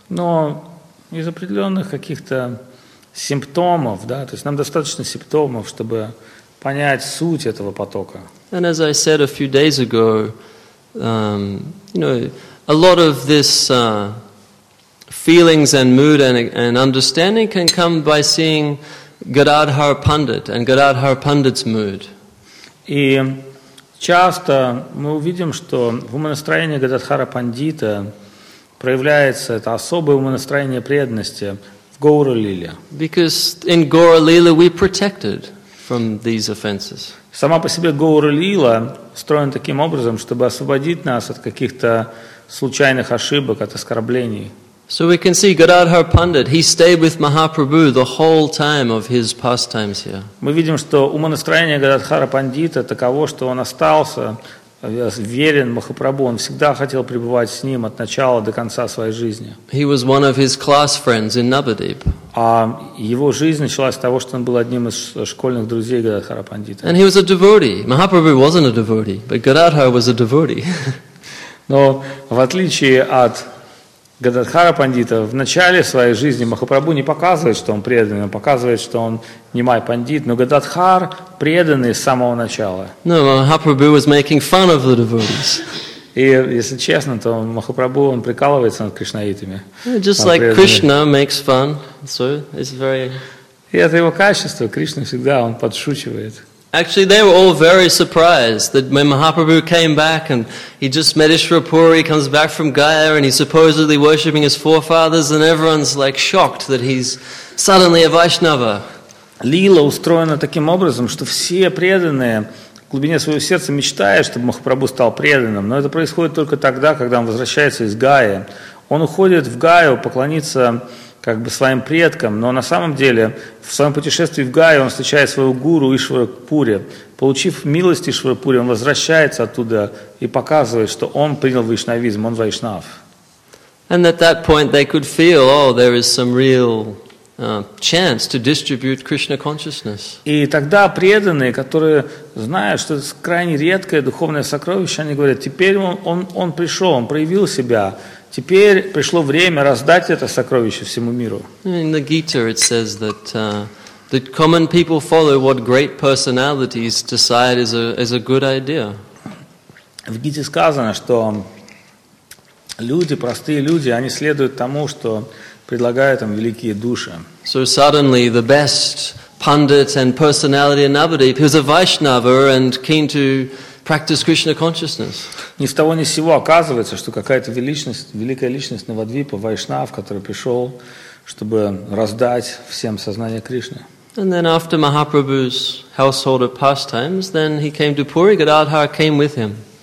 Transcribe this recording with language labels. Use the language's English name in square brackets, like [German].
[Russian] Но из определенных каких-то симптомов, да, то есть нам достаточно симптомов, чтобы понять суть этого потока. [English] And as I said a few days ago, you know, a lot of this feelings and mood and understanding can come by seeing Gadadhar Pandit and Gadadhar Pandit's mood. [Russian] И часто мы увидим, что в умонастроении Гададхара Пандита проявляется это особое умонастроение преданности в Гоура Лиле. [English] Because in Gaura Lila we're protected from these offenses. [Russian] Сама по себе Гоура Лила строена таким образом, чтобы освободить нас от каких-то случайных ошибок, от оскорблений. [English] So we can see Gadadhar Pandit, he stayed with Mahaprabhu the whole time of his pastimes here. [Russian] Мы видим, что умонастроение Гададхара Пандита таково, что он остался верен Махапрабху, он всегда хотел пребывать с ним от начала до конца своей жизни. [English] He was one of his class friends in Nabadeep. [Russian] А его жизнь началась с того, что он был одним из школьных друзей Гададхара Пандита. [English] And he was a devotee. Mahaprabhu wasn't a devotee, but Gadadhar was a devotee. [Russian] Но в отличие от Гададхара Пандита, в начале своей жизни Махапрабху не показывает, что он преданный, он показывает, что он немай пандит, но Гададхар преданный с самого начала. [English] No, Махапрабху was making fun of the devotees. [Russian] И если честно, то Махапрабху он прикалывается над кришнаитами. [English] Just like Krishna makes fun, so it's very. [Russian] И это его качество. Кришна всегда он подшучивает. [English] Actually, they were all very surprised that when Mahaprabhu came back and he just met Ishwarpuri, he comes back from Gaya and he's supposedly worshipping his forefathers, and everyone's like shocked that he's suddenly a Vaishnava. [Russian] Лила устроена таким образом, что все преданные в глубине своего сердца мечтают, чтобы Махапрабху стал преданным, но это происходит только тогда, когда он возвращается из Гаи. Он уходит в Гаю поклониться как бы своим предкам, но на самом деле в своем путешествии в Гаю он встречает своего гуру Ишварапури. Получив милость Ишварапури, он возвращается оттуда и показывает, что он принял вайшнавизм, он вайшнав. [English] And at that point they could feel, oh, there is some real chance to distribute Krishna consciousness. [Russian] И тогда преданные, которые знают, что это крайне редкое духовное сокровище, они говорят, теперь он пришел, он проявил себя. Теперь пришло время раздать это сокровище всему миру. [English] In the Gita it says that that common people follow what great personalities decide is a good idea. [Russian] В Гите сказано, что люди, простые люди, они следуют тому, что предлагают им великие души. [English] So suddenly the best pundit and personality in Navadvip, who's a Vaishnava and keen to practice Krishna consciousness. [Russian] Ни с того ни с сего оказывается, что какая-то великая личность Навадвипа, Вайшнав, который пришел, чтобы раздать всем сознание Кришны. [English] And then after Mahaprabhu's household of pastimes, then he came to Puri, Gadadhar came with him.